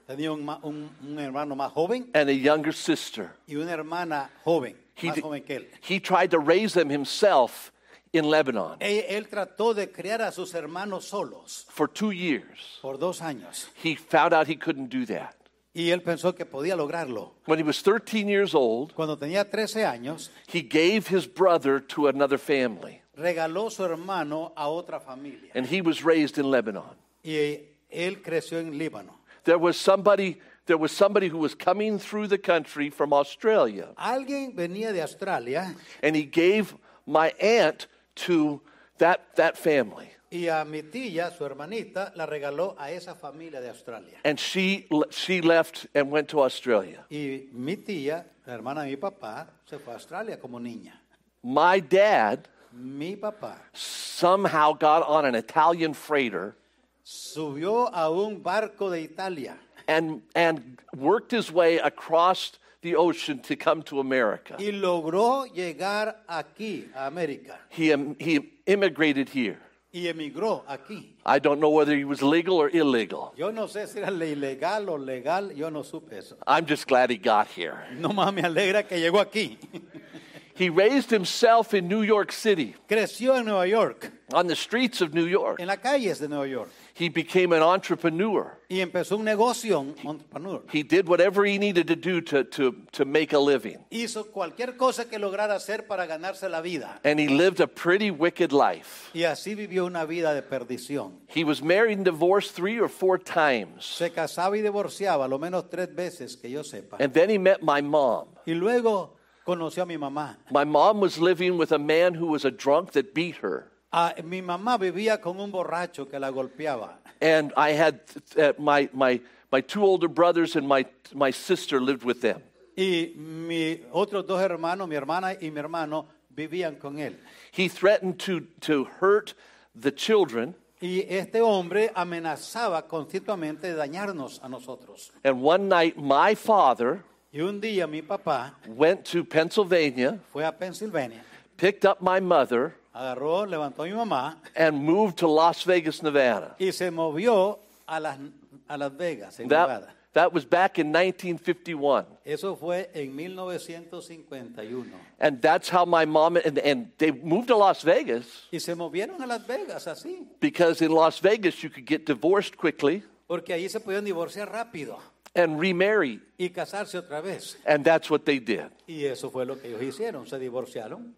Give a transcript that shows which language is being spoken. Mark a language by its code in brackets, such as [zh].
[es] Tenía un hermano más joven. [en] And a younger sister. [es] Y una hermana joven. [en] He tried to raise them himself in Lebanon. [es] Él trató de criar a sus hermanos solos. [en] For 2 years. [es] Por dos años. [en] He found out he couldn't do that. [es] Y él pensó que podía lograrlo. [en] When he was 13 years old, [es] cuando tenía 13 años, [en] he gave his brother to another family. [es] Regaló su hermano a otra familia. [en] And he was raised in Lebanon. [es] Y él creció en Líbano. [en] There was somebody who was coming through the country from Australia. [es] Alguien venía de Australia. [en] And he gave my aunt to that family. [es] Y a mi tía, su hermanita, la regaló a esa familia de Australia. [en] And she left and went to Australia. [es] Y mi tía, la hermana de mi papá, se fue a Australia como niña. [en] My dad, [es] mi papá, [en] somehow got on an Italian freighter. [es] Subió a un barco de Italia. [en] And worked his way across the ocean to come to America. [es] Y logró llegar aquí, a América. [en] He immigrated here. [es] Y emigró aquí. [en] I don't know whether he was legal or illegal. [es] Yo no sé si era ilegal o legal. Yo no supe eso. [en] I'm just glad he got here. [es] No más me alegra que llegó aquí. [en] He raised himself in New York City. [es] Creció en Nueva York. [en] On the streets of New York. [es] En las calles de Nueva York. [en] He became an entrepreneur. [es] Y empezó un negocio, un entrepreneur. [en] He did whatever he needed to do to make a living. [es] Hizo cualquier cosa que lograra hacer para ganarse la vida. [en] And he lived a pretty wicked life. [es] Y así vivió una vida de perdición. [en] He was married and divorced 3 or 4 times. [es] Se casaba y divorciaba lo menos 3 veces que yo sepa. [en] And then he met my mom. [es] Y luego conoció a mi mamá. [en] My mom was living with a man who was a drunk that beat her. [es] Mi mamá vivía con un borracho que la golpeaba. [en] And I had my 2 older brothers and my sister lived with them. [es] Y mi otros 2 hermanos, mi hermana y mi hermano, vivían con él. [en] He threatened to hurt the children. [es] Y este hombre amenazaba constantemente de dañarnos a nosotros. [en] And one night my father, [es] y un día mi papá, [en] went to Pennsylvania. [es] Fue a Pennsylvania. [en] Picked up my mother. [es] Agarró, levantó a mi mamá, [en] and moved to Las Vegas, Nevada. [es] Y se movió a Las Vegas, en Nevada. [en] That was back in 1951. [es] Eso fue en 1951. [en] And that's how my mom and they moved to Las Vegas. [es] Y se movieron a Las Vegas así. [en] Because in Las Vegas you could get divorced quickly. [es] Porque ahí se podían divorciar rápido. [en] And remarry. [es] Y casarse otra vez. [en] And that's what they did. [es] Y eso fue lo que ellos hicieron, se divorciaron.